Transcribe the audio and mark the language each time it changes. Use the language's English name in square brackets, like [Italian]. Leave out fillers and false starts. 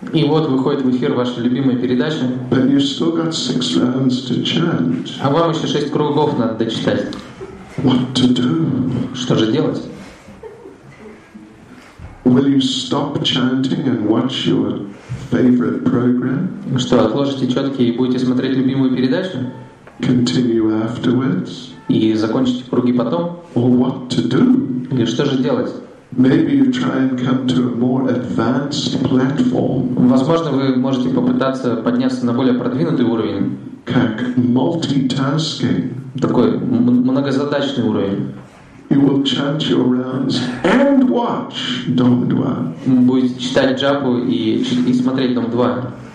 [Russian] И вот выходит в эфир ваша любимая передача. [English] But you still got 6 rounds to chant. [Russian] А вам еще 6 кругов надо дочитать. [English] What to do? [Russian] Что же делать? [English] Will you stop chanting and watch your favorite program? [Russian] Что, отложите четки и будете смотреть любимую передачу? [English] Continue afterwards? [Russian] И закончите круги потом? [English] Or what to do? [Russian] Или что же делать? [English] Maybe you try and come to a more advanced platform. [Russian] Возможно, вы можете попытаться подняться на более продвинутый уровень. Как multitasking. Такой многозадачный уровень. [English] You will chant your rounds and watch Dom 2. [Russian] Будете читать джапу и смотреть Dom 2.